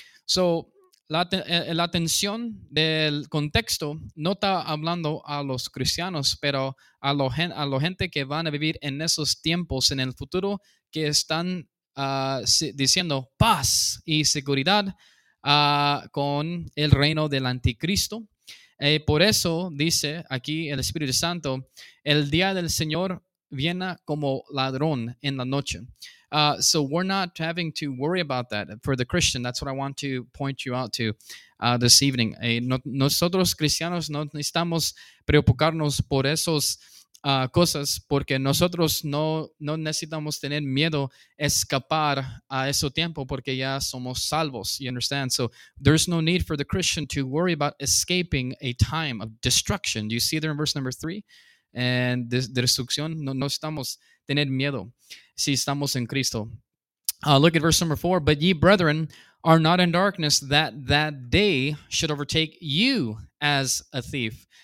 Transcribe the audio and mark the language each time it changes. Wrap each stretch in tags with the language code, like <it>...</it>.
<es>So, la atención del contexto no está hablando a los cristianos, pero a la gente que van a vivir en esos tiempos en el futuro, que están diciendo paz y seguridad con el reino del anticristo. Por eso dice aquí el Espíritu Santo, el día del Señor viene como ladrón en la noche.</es> <en>So we're not having to worry about that for the Christian. That's what I want to point you out to this evening.</en> <es>Nosotros cristianos no necesitamos preocuparnos por esas cosas, porque nosotros no necesitamos tener miedo escapar a ese tiempo, porque ya somos salvos.</es> <en>You understand? So there's no need for the Christian to worry about escaping a time of destruction. Do you see there in verse number 3? And</en> <es>de destrucción, no estamos tener miedo si estamos en Cristo.</es> <en>Look at verse number 4. But ye brethren are not in darkness, that day should overtake you as a thief.</en>